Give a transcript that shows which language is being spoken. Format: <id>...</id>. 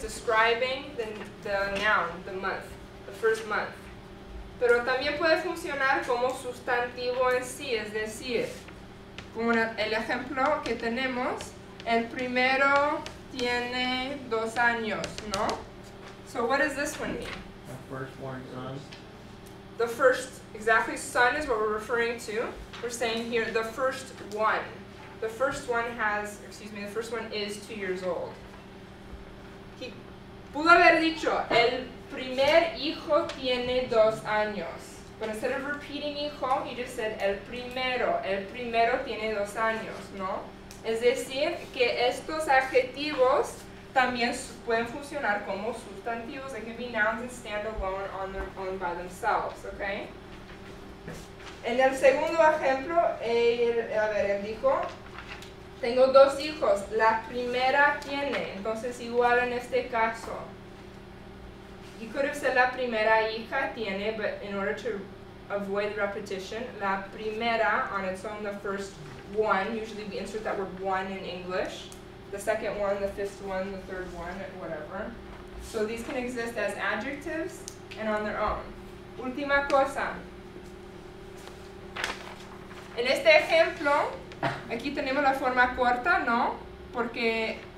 <en>It's describing the noun, the month, the first month.</en> <es>Pero también puede funcionar como sustantivo en sí, es decir, como el ejemplo que tenemos, el primero tiene 2 años, ¿no?</es> <en>So what does this one mean? The firstborn son. The first, exactly, son is what we're referring to. We're saying here, the first one. The first one has, excuse me, the first one is 2 years old.</en> <es>He pudo haber dicho, el primer hijo tiene 2 años.</es> <en>But instead of repeating hijo, he just said,</en> <es>el primero tiene 2 años, ¿no? Es decir, que estos adjetivos también pueden funcionar como sustantivos.</es> <en>They can be nouns and stand alone on their own by themselves, okay?</en> <es>En el segundo ejemplo, él dijo, tengo 2 hijos, la primera tiene, entonces igual en este caso.</es> <en>He could have said</en> <es>la primera hija tiene,</es> <en>but in order to avoid repetition,</en> <es>la primera</es> <en>on its own, the first one, usually we insert that word one in English, the second one, the fifth one, the third one, whatever. So these can exist as adjectives and on their own.</en> <es>Última cosa. En este ejemplo, aquí tenemos la forma corta, ¿no? Porque</es>